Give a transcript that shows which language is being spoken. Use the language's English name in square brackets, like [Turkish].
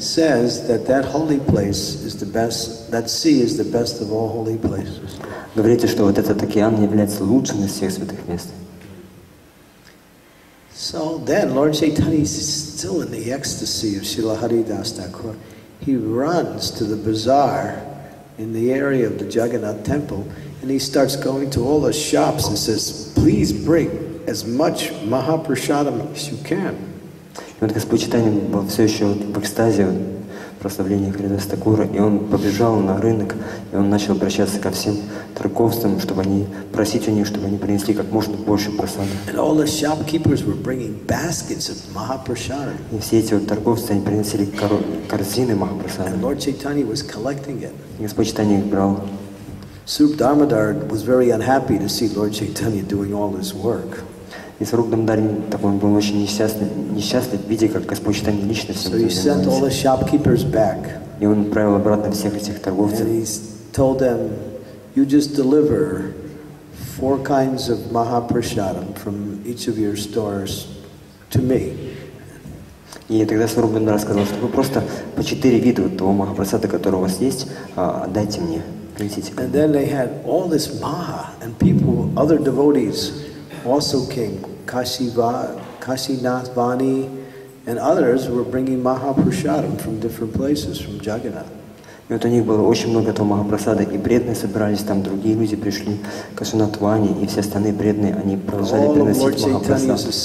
[English] says that holy place is the best, that sea is the best of all holy places. [Russian] Говорите, что вот этот океан является лучшим из всех святых мест. [English] So then Lord Chaitanya is still in the ecstasy of Srila Haridas Thakur. He runs to the bazaar in the area of the Jagannath temple and he starts going to all the shops and says, "Please bring as much Mahaprasadam as you can." [Russian] И вот Господь Чайтанья был все еще в экстазе прославления Харидаса Такура, и он побежал на рынок, и он начал обращаться ко всем торговцам, чтобы они просить у них, чтобы они принесли как можно больше прасады. [English] And all the shopkeepers were bringing baskets of Mahaprasadam. [Russian] И все эти вот торговцы, они принесли корзины Mahaprasadam. [English] And Lord Chaitanya was collecting it. [Russian] И Господь Чайтанья их брал. [English] Суп Дармадар was very unhappy to see Lord Chaitanya doing all this work. [Russian] И Сварупа Дамодара такой был очень несчастный, видя, как Господь Чайтанья лично все это занимается. И он отправил обратно всех этих торговцев. [English] And he told them, "You just deliver four kinds of Mahaprasadam from each of your stores to me." [Russian] И тогда Сварупа Дамодара сказал, что вы просто по четыре вида вот того Махапрасада, который у вас есть, отдайте мне, принесите. [English] And then they had all this Maha and people, other devotees, also came, Kashi Nath Vani, And others were bringing Mahaprasadam from different places, from Jagannath. [Russian] И вот у них было очень много этого Махапрасада, и преданные собрались там, другие люди пришли, Кашинатвани, и все остальные преданные, они продолжали приносить Махапрасад.